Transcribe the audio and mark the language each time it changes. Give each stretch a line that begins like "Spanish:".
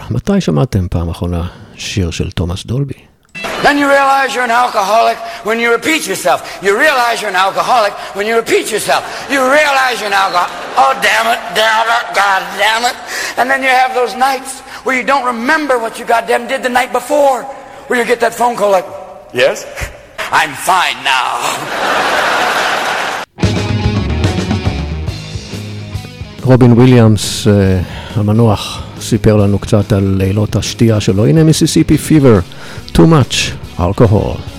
Hebrew: מתי שמעתם פעם אחרונה שיר של תומאס דולבי?
English: Then you realize you're an alcoholic when you repeat yourself. You realize you're an alcoholic when you repeat yourself. You realize you're an alcoholic. Oh, damn it, damn it, God damn it. And then you have those nights where you don't remember what you goddamn did the night before. Where you get that phone call like, yes? I'm fine now.
Hebrew: רובין וויליאמס המנוח סיפר לנו קצת על לילות השתייה שלו. הנה מיסיסיפי פיבר, too much alcohol.